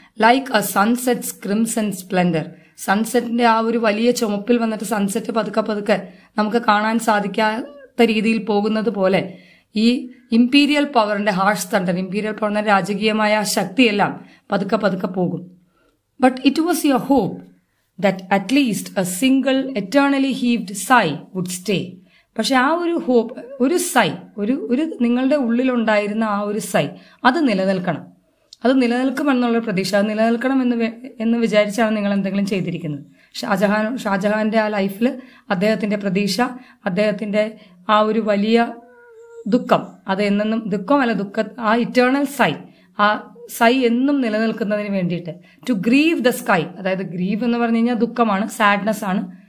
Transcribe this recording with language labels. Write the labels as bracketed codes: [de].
[en] like a sunset's crimson splendour, [ml] സൺസെറ്റിന്റെ ആ ഒരു വലിയ ചുമപ്പിൽ വന്നിട്ട് സൺസെറ്റ് പതുക്കെ പതുക്കെ നമുക്ക് കാണാൻ സാധിക്കാത്ത രീതിയിൽ പോകുന്നത് പോലെ ഈ ഇംപീരിയൽ പവറിന്റെ ഹാർഷ് തണ്ടർ, ഇംപീരിയൽ പവറിന്റെ രാജകീയമായ ആ ശക്തിയെല്ലാം പതുക്കെ പതുക്കെ പോകും. [en] But it was your hope that at least a single eternally heaved sigh would stay. [ml] പക്ഷെ ആ ഒരു ഹോപ്പ്, ഒരു സൈ, ഒരു ഒരു നിങ്ങളുടെ ഉള്ളിലുണ്ടായിരുന്ന ആ ഒരു സൈ, അത് നിലനിൽക്കണം, അത് നിലനിൽക്കുമെന്നുള്ള പ്രതീക്ഷ, അത് നിലനിൽക്കണം എന്ന് വിചാരിച്ചാണ് നിങ്ങൾ എന്തെങ്കിലും ചെയ്തിരിക്കുന്നത്. ഷാജഹാന്റെ ആ ലൈഫിൽ അദ്ദേഹത്തിന്റെ പ്രതീക്ഷ, അദ്ദേഹത്തിന്റെ ആ ഒരു വലിയ ദുഃഖം, അത് എന്നെന്നും ദുഃഖമല്ല, ആ ഇറ്റേണൽ സൈ, ആ സൈ എന്നും നിലനിൽക്കുന്നതിന് വേണ്ടിയിട്ട്, [en] to grieve the sky, [ml] അതായത് ഗ്രീവ് എന്ന് പറഞ്ഞു കഴിഞ്ഞാൽ ദുഃഖമാണ്, സാഡ്നസ് ആണ്.